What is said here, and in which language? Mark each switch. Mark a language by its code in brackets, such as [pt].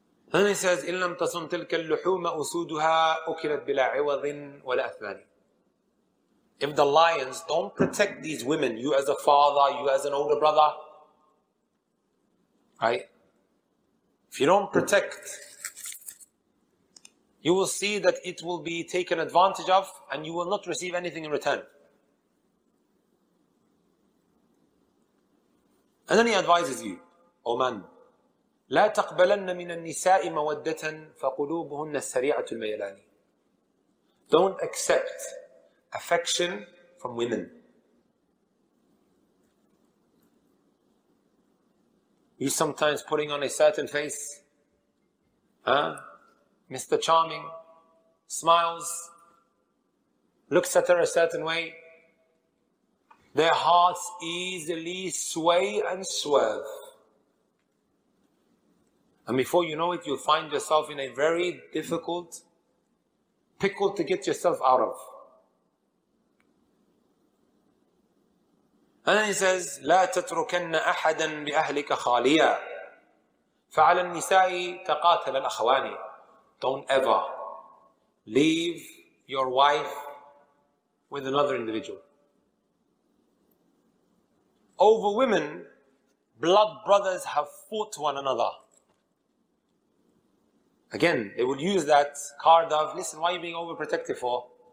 [en] Then he says, [ar] إِلَّمْ تَصُمْ تِلْكَ اللُّحُومَ أُسُودُهَا أُكِلَتْ بِلَا عِوَضٍ وَلَا أَثْمَانٍ. [en] If the lions don't protect these women, you as a father, you as an older brother, right? If you don't protect, you will see that it will be taken advantage of and you will not receive anything in return. And then he advises you, O man, [ar] لا تقبلن من النساء مودة فقلوبهن السريعة الميلان. [en] Don't accept affection from women. You sometimes putting on a certain face, Mr. Charming, smiles, looks at her a certain way, their hearts easily sway and swerve. And before you know it, you'll find yourself in a very difficult pickle to get yourself out of. And then he says, [ar] لَا تَتْرُكَنَّ أَحَدًا بِأَهْلِكَ خَالِيًا فَعَلَى النِّسَاءِ تَقَاتَلَ الْأَخْوَانِ. [en] Don't ever leave your wife with another individual. Over women, blood brothers have fought one another. Again, they will use that card of, listen, why are you being overprotective for?